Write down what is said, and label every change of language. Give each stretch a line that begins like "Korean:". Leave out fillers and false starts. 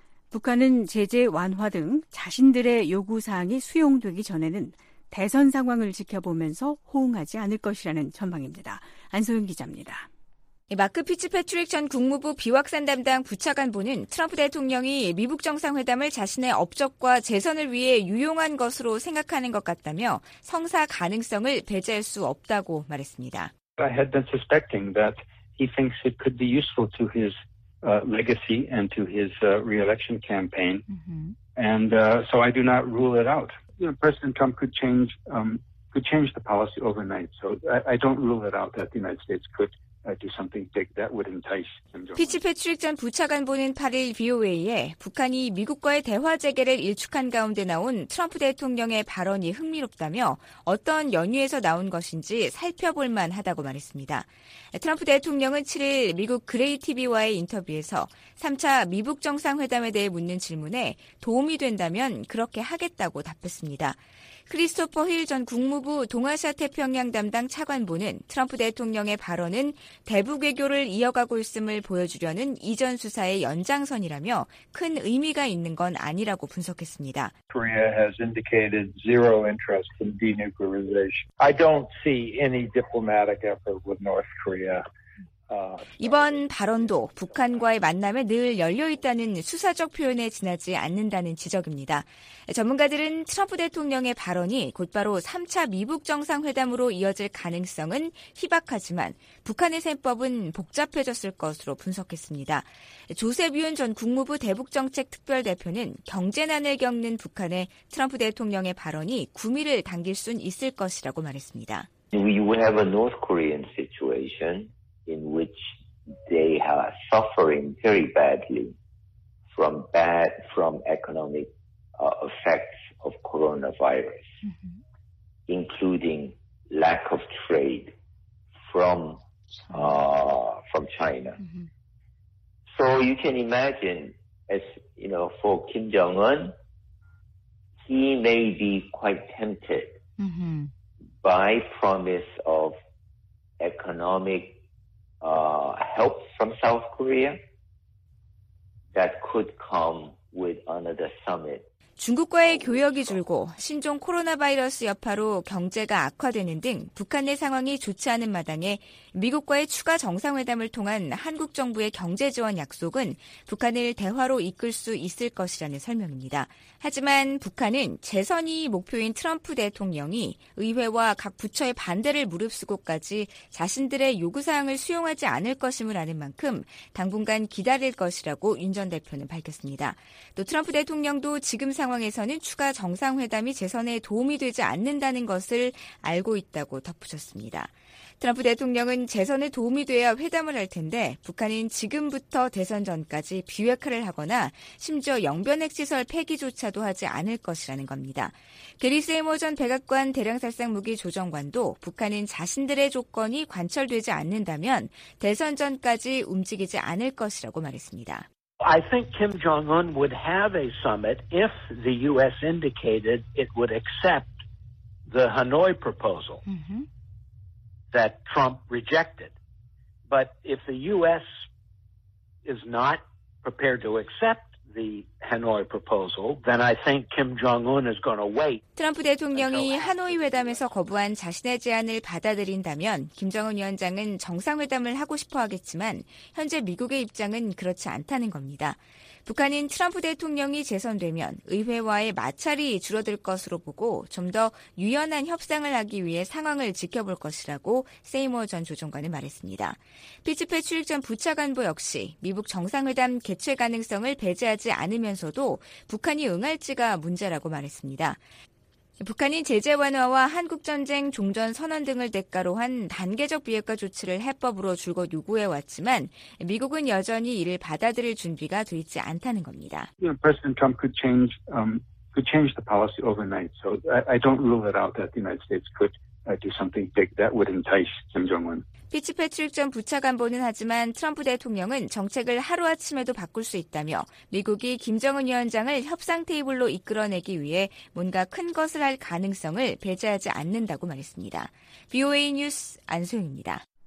Korean: 북한은 제재 완화 등 자신들의 요구사항이 수용되기 전에는 대선 상황을 지켜보면서 호응하지 않을 것이라는 전망입니다. 안소영 기자입니다. 마크 피츠패트릭 전 국무부 비확산 담당 부차관보는 트럼프 대통령이 미북 정상회담을 자신의 업적과 재선을 위해 유용한 것으로 생각하는 것 같다며 성사 가능성을 배제할 수 없다고 말했습니다.
English: I had been suspecting that he thinks it could be useful to his legacy and to his re-election campaign. And so I do not rule it out. You know, President Trump could change the policy overnight. So I don't rule it out that the United States could do something big that would entice.
Korean: 피츠패트릭 전 부차관보는 8일 VOA에 북한이 미국과의 대화 재개를 일축한 가운데 나온 트럼프 대통령의 발언이 흥미롭다며 어떤 연유에서 나온 것인지 살펴볼 만하다고 말했습니다. 트럼프 대통령은 7일 미국 그레이 TV와의 인터뷰에서 3차 미북 정상회담에 대해 묻는 질문에 도움이 된다면 그렇게 하겠다고 답했습니다. 크리스토퍼 힐 전 국무부 동아시아 태평양 담당 차관보는 트럼프 대통령의 발언은 대북 외교를 이어가고 있음을 보여주려는 이전 수사의 연장선이라며 큰 의미가 있는 건 아니라고 분석했습니다.
English: Korea has indicated zero interest in denuclearization. I don't see any diplomatic effort with North Korea.
Korean: 이번 발언도 북한과의 만남에 늘 열려있다는 수사적 표현에 지나지 않는다는 지적입니다. 전문가들은 트럼프 대통령의 발언이 곧바로 3차 미북 정상회담으로 이어질 가능성은 희박하지만 북한의 셈법은 복잡해졌을 것으로 분석했습니다. 조셉 위원 전 국무부 대북정책특별대표는 경제난을 겪는 북한에 트럼프 대통령의 발언이 구미를 당길 순 있을 것이라고 말했습니다.
English: We would have a North Korean situation. In which they are suffering very badly from economic effects of coronavirus, including lack of trade from China. So you can imagine as you know, for Kim Jong-un, he may be quite tempted by promise of economic help from South Korea that could come with another summit.
Korean: 중국과의 교역이 줄고 신종 코로나 바이러스 여파로 경제가 악화되는 등 북한의 상황이 좋지 않은 마당에 미국과의 추가 정상회담을 통한 한국 정부의 경제 지원 약속은 북한을 대화로 이끌 수 있을 것이라는 설명입니다. 하지만 북한은 재선이 목표인 트럼프 대통령이 의회와 각 부처의 반대를 무릅쓰고까지 자신들의 요구사항을 수용하지 않을 것임을 아는 만큼 당분간 기다릴 것이라고 윤 전 대표는 밝혔습니다. 또 트럼프 대통령도 지금 상황에서는 추가 정상회담이 재선에 도움이 되지 않는다는 것을 알고 있다고 덧붙였습니다. 트럼프 대통령은 재선에 도움이 돼야 회담을 할 텐데 북한은 지금부터 대선 전까지 비핵화를 하거나 심지어 영변핵시설 폐기조차도 하지 않을 것이라는 겁니다. 게리 세이머 전 백악관 대량살상무기 조정관도 북한은 자신들의 조건이 관철되지 않는다면 대선 전까지 움직이지 않을 것이라고 말했습니다.
English: I think Kim Jong-un would have a summit if the U.S. indicated it would accept the Hanoi proposal that Trump rejected. But if the U.S. is not prepared to accept the Hanoi proposal, then I think Kim Jong-un is going to wait.
Korean: 트럼프 대통령이 하노이 회담에서 거부한 자신의 제안을 받아들인다면 김정은 위원장은 정상회담을 하고 싶어 하겠지만 현재 미국의 입장은 그렇지 않다는 겁니다. 북한은 트럼프 대통령이 재선되면 의회와의 마찰이 줄어들 것으로 보고 좀 더 유연한 협상을 하기 위해 상황을 지켜볼 것이라고 세이머 전 조정관은 말했습니다. 피츠페 출입 전 부차관보 역시 미국 정상회담 개최 가능성을 배제하지 않으면서도 북한이 응할지가 문제라고 말했습니다. 북한이 제재 완화와 한국전쟁 종전 선언 등을 대가로 한 단계적 비핵화 조치를 해법으로 줄곧 요구해왔지만 미국은 여전히 이를 받아들일 준비가 돼 있지 않다는 겁니다.
English: You know, President Trump could change the policy overnight. So I don't rule it out that the United States could do something big that would entice Kim Jong-un.
Korean: 피츠 패트릭 전 부차관보는 하지만 트럼프 대통령은 정책을 하루아침에도 바꿀 수 있다며 미국이 김정은 위원장을 협상 테이블로 이끌어내기 위해 뭔가 큰 것을 할 가능성을 배제하지 않는다고 말했습니다. BOA 뉴스 안소영입니다.